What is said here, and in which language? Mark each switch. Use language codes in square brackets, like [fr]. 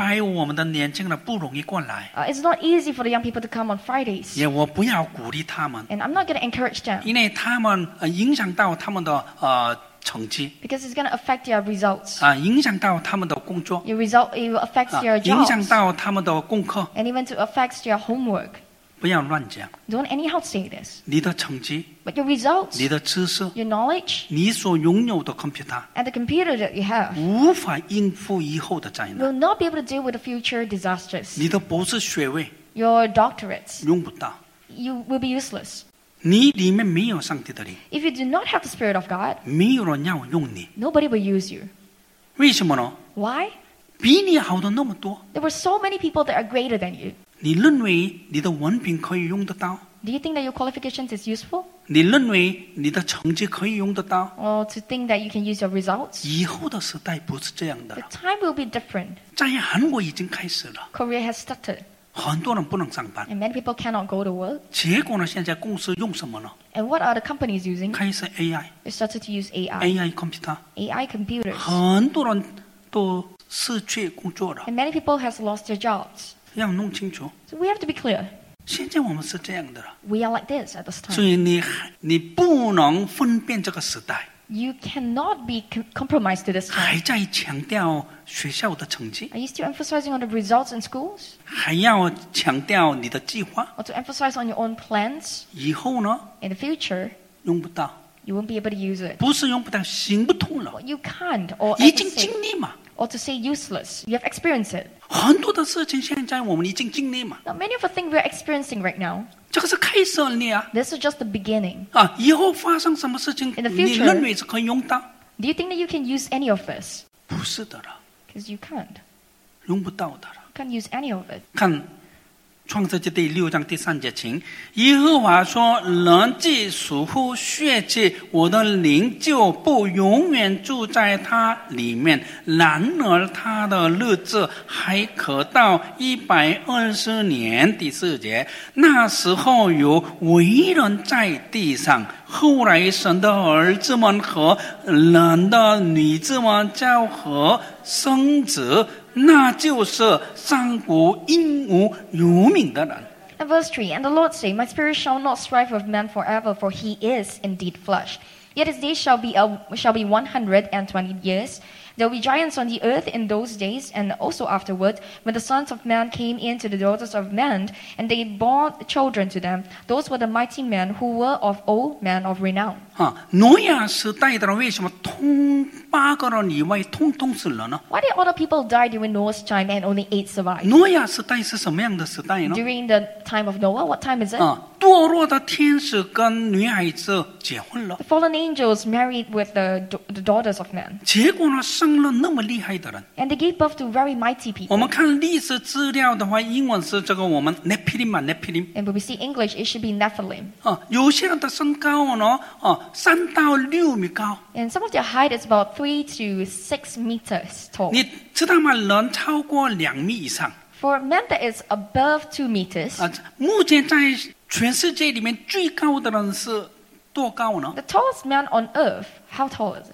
[zh] 那么听说，哎呀，这个礼拜五我们的年轻人不容易过来。 [en] It's not easy for the young people to come on Fridays. [zh] 也我不要鼓励他们。 [en] And I'm not going to encourage them. [zh] 因为他们影响到他们的。成绩, [en] because it's going to affect your results. [zh] 影响到他们的工作, [en] your result, it will affect your jobs. [zh] 影响到他们的功课, [en] and even to affect your homework. [zh] 不要乱讲, [en] don't anyhow say this. [zh] 你的成绩, [en] but your results, [zh] 你的知识, [en] your knowledge, [zh] 你所拥有的 computer, [en] and the computer that you have, [zh] 无法应付以后的灾难, [en] will not be able to deal with the future disasters. [zh] 你的博士学位, [en] your doctorates, [zh] 用不到, [en] you will be useless. [ko] 네 [zh] 里面没有上帝的灵 [en] If you do not have the Spirit of God, [zh] 没有人要用你 [en] Nobody will use you. [zh] 为什么呢 [en] Why? [zh] 比你好的那么多 [en] There were so many people that are greater than you. [zh] 你认为你的文凭可以用得到 [en] Do you think that your qualifications is useful? [zh] 你认为你的成绩可以用得到 [en] Or to think that you can use your results? [zh] 以后的时代不是这样的 [en] The time will be different. [zh] 在韩国已经开始了 [en] Korea has started. [zh] 很多人不能上班 [en] And many people cannot go to work. [zh] 结果呢现在公司用什么呢 [en] And what are the companies using? [zh] 开始 AI. [en] They started to use AI. AI computer. AI computers. [zh] 很多人都失去工作了 [en] And many people have lost their jobs. [zh] 要弄清楚 [en] So we have to be clear. [zh] 现在我们是这样的了 [en] We are like this at this time. [zh] 所以 你不能分辨这个时代 [en] You cannot be compromised to this time. [zh] 还在强调学校的成绩 [en] Are you still emphasizing on the results in schools? [zh] 还要强调你的计划 [en] Or to emphasize on your own plans? [zh] 以后呢 [en] In the future [zh] 用不到 [en] You won't be able to use it. [zh] 不是用不到行不通了 [en] Or You can't or [zh] 已经经历嘛 [en] Or to say useless, you have experienced it. [zh] 很多的事情现在我们已经经历嘛。 [en] Now many of the things we are experiencing right now. [zh] 这个是开始而已啊。 [en] This is just the beginning. [zh] 啊，以后发生什么事情， [en] In the future, [zh] 你认为是可以用到 [en] ？Do you think that you can use any of this? [zh] 不是的了。 [en] Because you can't. [zh] 用不到的了。 [en] You can't use any of it. [zh] 看创世纪第六章第三节，请耶和华说：“人既属乎血气，我的灵就不永远住在他里面。然而他的日子还可到120年。” 第四节，那时候有为人在地上。后来神的儿子们和人的女子们交合生子。那就是上古英无有名的人。 [en] And verse 3, And the Lord said, My spirit shall not strive with man forever, for he is indeed flesh. Yet his days shall be 120 years. There will be giants on the earth in those days, and also afterward, when the sons of man came in to the daughters of men, and they bore children to them. Those were the mighty men who were of old men of renown. [zh] 노야时代的人为什么通八个人以外通通死了呢 [en] Why did all the people die during Noah's time and only 8 survived? [zh] 노야时代是什么样的时代呢 [en] During the time of Noah, what time is it? [zh] 堕落的天使跟女孩子结婚了 [en] The fallen angels married with the daughters of men. [zh] 结果呢生了那么厉害的人 [en] And they gave birth to very mighty people. [zh] 我们看历史资料的话英文是这个我们 Nephilim 嘛 Nephilim. [en] And when we see English, it should be Nephilim. [zh] 有些人的身高呢三到六米高 [en] And some of their height is about 3 to 6 meters tall. [zh] 你知道吗人超过两米以上 [en] For a man that is above 2 meters, [zh] 目前在全世界里面最高的人是多高呢 [en] The tallest man on earth, how tall is it?